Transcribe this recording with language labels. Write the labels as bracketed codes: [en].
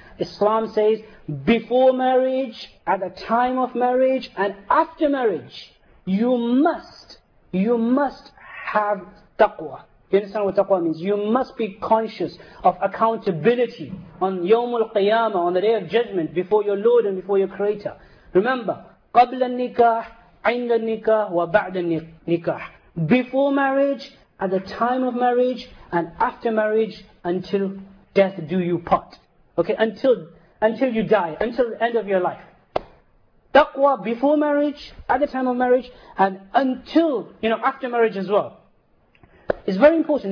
[en] Islam says before marriage, at the time of marriage, and after marriage, you must have taqwa. You understand what taqwa means? You must be conscious of accountability on Yawmul Qiyamah, on the day of judgment, before your Lord and before your Creator. Remember, [ar] قبل النكاح, عند النكاح, وبعد النكاح. [en] Before marriage, at the time of marriage, and after marriage, until death do you part. Okay, until you die, until the end of your life. Taqwa before marriage, at the time of marriage, and until, after marriage as well. It's very important.